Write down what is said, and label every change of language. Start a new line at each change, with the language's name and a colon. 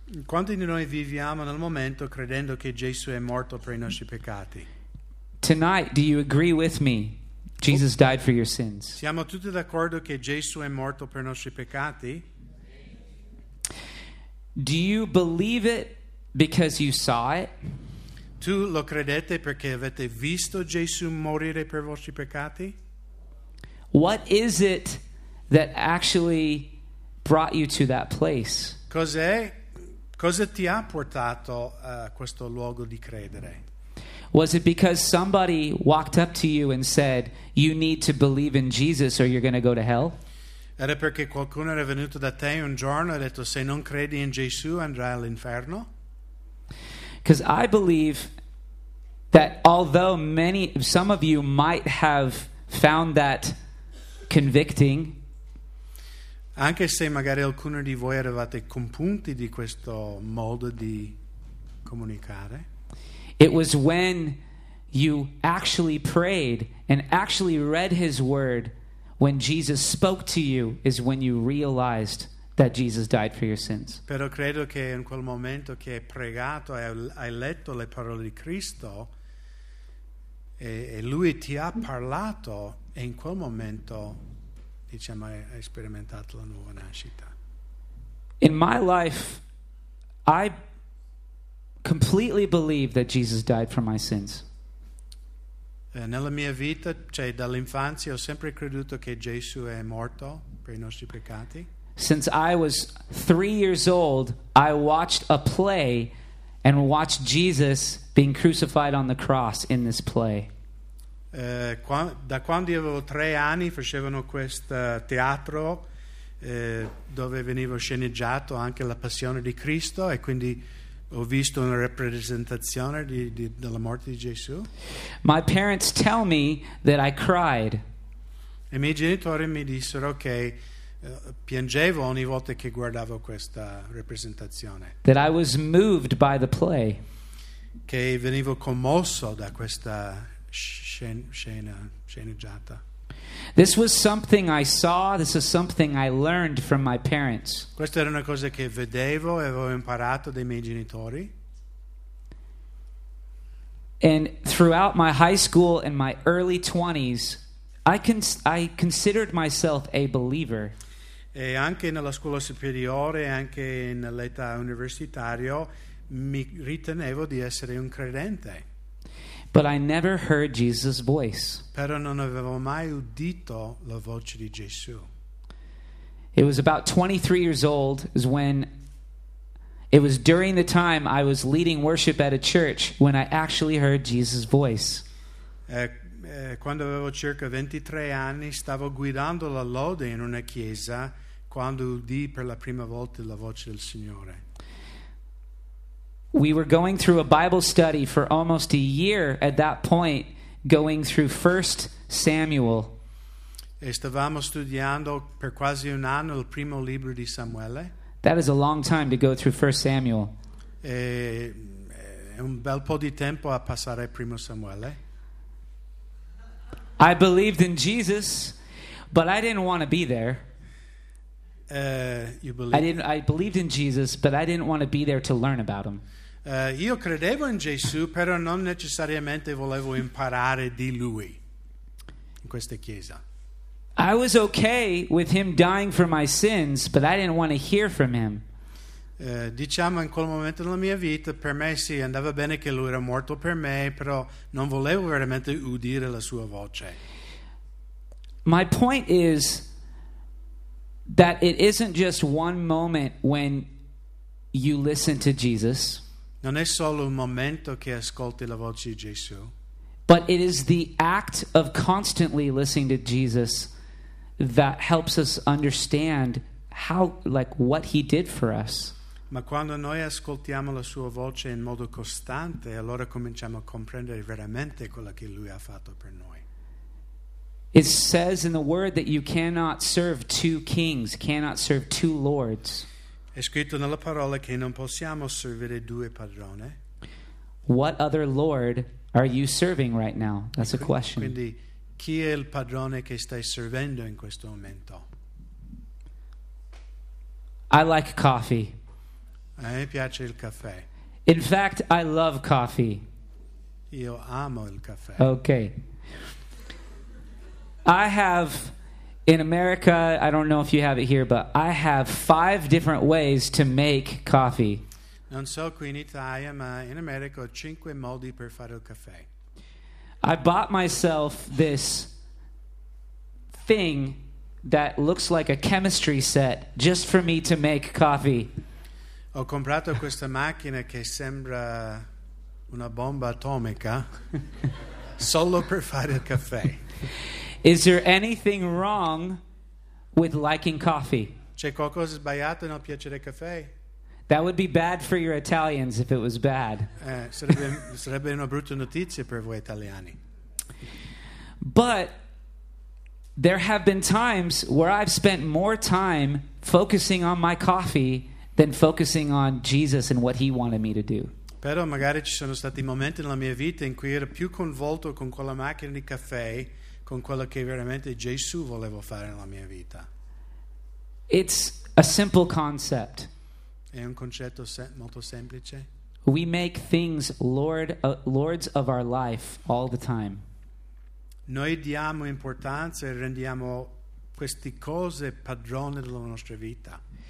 Italian: Quanti di noi viviamo nel momento credendo che Gesù è morto per i nostri peccati?
English: Tonight, do you agree with me? Jesus died for your sins.
Italian: Siamo tutti d'accordo che Gesù è morto per i nostri peccati?
English: Do you believe it because you saw it?
Italian: Tu lo credete perché avete visto Gesù morire per I vostri peccati?
English: What is it that actually brought you to that place?
Italian: Cosa ti ha portato a questo luogo di credere?
English: Was it because somebody walked up to you and said, you need to believe in Jesus or you're going to go to hell?
Italian: Era perché qualcuno era venuto da te un giorno e ha detto, se non credi in Gesù andrai all'inferno?
English: Because I believe that although some of you might have found that convicting,
Italian: anche se magari alcuni di voi eravate compunti di questo modo di comunicare,
English: it was when you actually prayed and actually read His word, when Jesus spoke to you, is when you realized that Jesus died for your sins.
Italian: Però credo che in quel momento che hai pregato e hai letto le parole di Cristo e Lui ti ha parlato, e in quel momento diciamo hai sperimentato la nuova nascita.
English: In my life, I completely believe that Jesus died for my sins.
Italian: Nella mia vita, cioè dall'infanzia, ho sempre creduto che Gesù è morto per I nostri peccati.
English: Since I was 3 years old, I watched a play and watched Jesus being crucified on the cross in this play.
Italian: Da quando avevo 3 anni facevano questo teatro dove veniva sceneggiato anche la passione di Cristo, e quindi ho visto una rappresentazione della morte di Gesù.
English: My parents tell me that I cried.
Italian: I miei genitori mi dissero che piangevo ogni volta che guardavo questa rappresentazione.
English: That I was moved by the play.
Italian: Che venivo commosso da questa sceneggiata.
English: This was something I saw. This is something I learned from my parents.
Italian: Questa era una cosa che vedevo e avevo imparato dai miei genitori.
English: And throughout my high school and my early 20s, I considered myself a believer.
Italian: E anche nella scuola superiore, anche nell'età universitaria, mi ritenevo di essere un credente.
English: But I never heard Jesus' voice.
Italian: Però non avevo mai udito la voce di Gesù.
English: It was about 23 years old is when it was during the time I was leading worship at a church when I actually heard Jesus' voice.
Italian: Quando avevo circa 23 anni stavo guidando la lode in una chiesa quando udì per la prima volta la voce del Signore.
English: We were going through a Bible study for almost a year at that point, going through 1 Samuel.
Italian: E stavamo studiando per quasi un anno il primo libro di Samuele.
English: That is a long time to go through 1 Samuel.
Italian: È un bel po' di tempo a passare primo Samuele.
English: I believed in Jesus, but I didn't want to be there. I believed in Jesus, but I didn't want to be there to learn about Him.
Italian: Io credevo in Gesù, però non necessariamente volevo imparare di Lui in questa chiesa.
English: I was okay with Him dying for my sins, but I didn't want to hear from Him.
Italian: Diciamo in quel momento della mia vita, per me sì, andava bene che Lui era morto per me, però non volevo veramente udire la Sua voce.
English: My point is that it isn't just one moment when you listen to Jesus.
Italian: Non è solo un momento che ascolti la voce di Gesù.
English: But it is the act of constantly listening to Jesus that helps us understand how, like, what He did for us.
Italian: Ma quando noi ascoltiamo la Sua voce in modo costante, allora cominciamo a comprendere veramente quello che Lui ha fatto per noi.
English: It says in the Word that you cannot serve two kings, cannot serve two lords.
Italian: È scritto nella parola che non possiamo servire due padroni.
English: What other Lord are you serving right now? That's a question.
Italian: Quindi, chi è il padrone che stai servendo in questo momento?
English: I like coffee.
Italian: A me piace il caffè.
English: In fact, I love coffee.
Italian: Io amo il caffè.
English: Okay. I have... In America, I don't know if you have it here, but I have 5 different ways to make coffee.
Italian: Non so qui in Italia, ma in America ho 5 modi per fare il caffè.
English: I bought myself this thing that looks like a chemistry set just for me to make coffee.
Italian: Ho comprato questa macchina che sembra una bomba atomica solo per fare il caffè.
English: Is there anything wrong with liking coffee?
Italian: C'è qualcosa sbagliato nel piacere caffè?
English: That would be bad for your Italians if it was bad.
Italian: Sarebbe una brutta notizia per voi italiani.
English: But there have been times where I've spent more time focusing on my coffee than focusing on Jesus and what he wanted me to do.
Italian: Però magari ci sono stati momenti nella mia vita in cui ero più coinvolto con quella macchina di caffè con quello che veramente Gesù voleva fare nella mia vita.
English: It's a simple concept.
Italian: È un concetto molto semplice.
English: We make things lords of our life all the time.
Italian: Noi diamo importanza e rendiamo queste cose padrone della nostra vita.